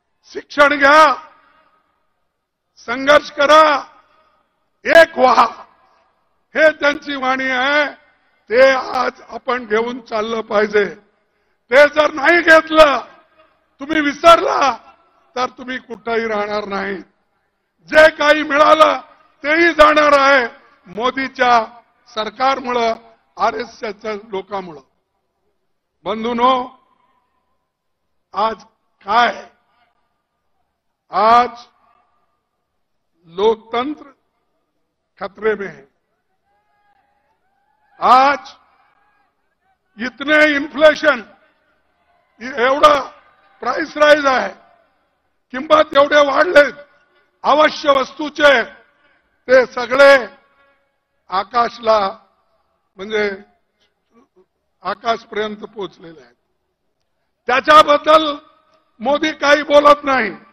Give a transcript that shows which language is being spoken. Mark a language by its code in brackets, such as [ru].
[mr] शिक्षण घ्या, संघर्ष करा, एक व्हा, हे त्यांची वाणी आहे, ते आज आपण घेऊन चाललं पाहिजे। ते जर नाही घेतलं, तुम्ही विसरला, तर तुम्ही कुठेही राहणार नाही। जे काही मिळालं तेही जाणार आहे मोदीच्या सरकारमुळे, आरएसएसच्या लोकांमुळे। बंधूंनो, आज काय, [hi] आज लोकतंत्र खतरे में है। [mr] आज इतने इन्फ्लेशन, एवढा प्राइस राइज आहे, किंमत एवढे वाढले, अवश्य वस्तूचे ते सगळे आकाशला म्हणजे आकाशपर्यंत पोहोचलेले आहेत, त्याच्याबद्दल मोदी काही बोलत नाही।